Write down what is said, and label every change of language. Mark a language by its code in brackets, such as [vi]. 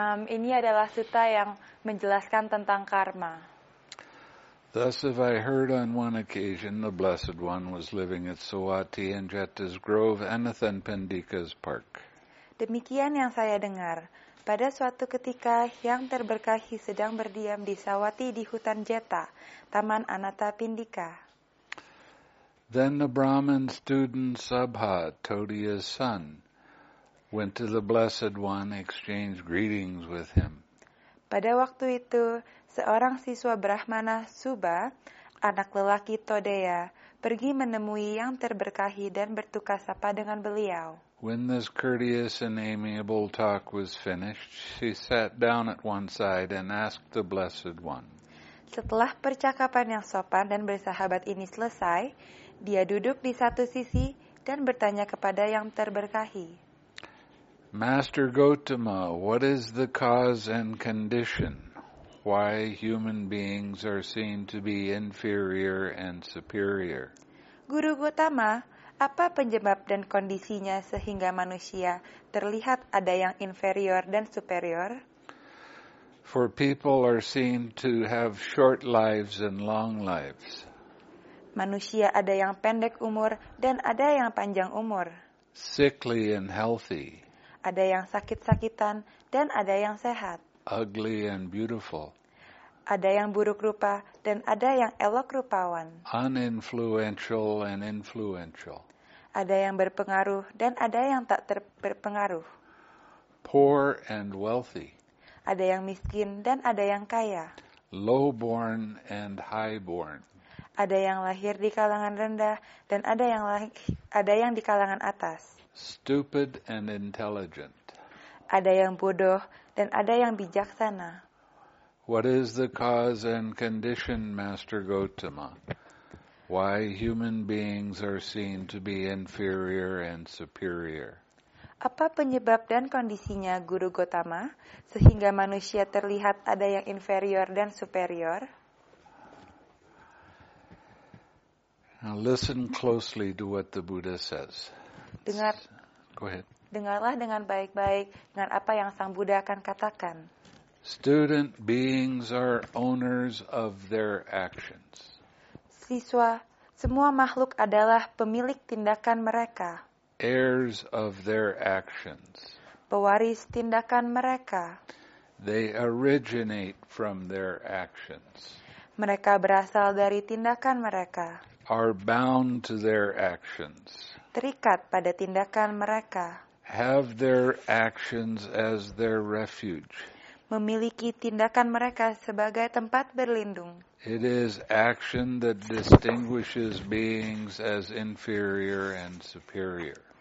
[id] Ini adalah sutta yang menjelaskan tentang karma. [en] Thus have I heard on one occasion the Blessed One was living at Sawati and Jetta's Grove, Anathan Pandika's Park. [id] Demikian yang saya dengar. Pada suatu ketika, Yang Terberkahi sedang berdiam di Sawati di hutan Jetta, Taman Anatha Pindika. [en] Then the Brahmin student Sabha, Todia's son, went to the Blessed One, exchanged greetings with him. [id] Pada waktu itu, seorang siswa Brahmana Subha, anak lelaki Todea, pergi menemui Yang Terberkahi dan bertukar sapa dengan beliau. [en] When this courteous and amiable talk was finished, she sat down at one side and asked the Blessed One. [id] Setelah percakapan yang sopan dan bersahabat ini selesai, dia duduk di satu sisi dan bertanya kepada Yang Terberkahi. [en] Master Gotama, what is the cause and condition? Why human beings are seen to be inferior and superior? [id] Guru Gotama, apa penyebab dan kondisinya sehingga manusia terlihat ada yang inferior dan superior? [en] For people are seen to have short lives and long lives. [id] Manusia ada yang pendek umur dan ada yang panjang umur. [en] Sickly and healthy. [id] Ada yang sakit-sakitan dan ada yang sehat. [en] Ugly and beautiful. [id] Ada yang buruk rupa dan ada yang elok rupawan. [en] Uninfluential and influential. [id] Ada yang berpengaruh dan ada yang tak berpengaruh. [en] Poor and wealthy. [id] Ada yang miskin dan ada yang kaya. [en] Low born and high born. [id] Ada yang lahir di kalangan rendah dan ada yang di kalangan atas. [en] Stupid and intelligent. [id] Ada yang bodoh dan ada yang bijaksana. [en] What is the cause and condition, Master Gotama? Why human beings are seen to be inferior and superior? [id] Apa penyebab dan kondisinya, Guru Gotama, sehingga manusia terlihat ada yang inferior dan superior? [en] Now listen closely to what the Buddha says. [id] Dengar. [en] Go ahead. [id] Dengarlah dengan baik-baik dengan apa yang Sang Buddha akan katakan. [en] Student beings are owners of their actions. [id] Siswa, semua makhluk adalah pemilik tindakan mereka. [en] Heirs of their actions. [id] Pewaris tindakan mereka. [en] They originate from their actions. [id] Mereka berasal dari tindakan mereka. [en] Are bound to their actions. [id] Terikat pada tindakan mereka. [en] Have their actions as their refuge. [id] Memiliki tindakan mereka sebagai tempat berlindung. [en] It is action that distinguishes beings as inferior and superior.